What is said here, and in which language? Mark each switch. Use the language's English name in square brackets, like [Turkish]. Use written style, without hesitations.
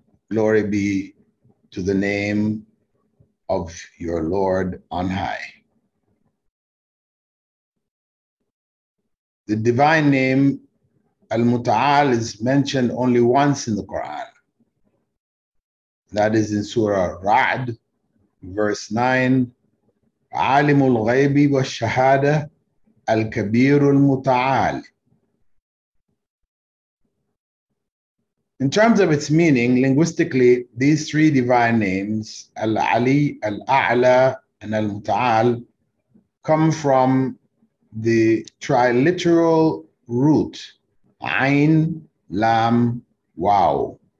[English] Glory be to the name of your Lord on high. The divine name Al-Muta'al is mentioned only once in the Quran. That is in Surah Ra'd, verse 9. [Arabic] عالم الغيب والشهادة الكبير المتعال. [English] In terms of its meaning, linguistically, these three divine names, Al-Ali, Al-A'la, and Al-Muta'al, come from the triliteral root, Ayn, Lam, Waw.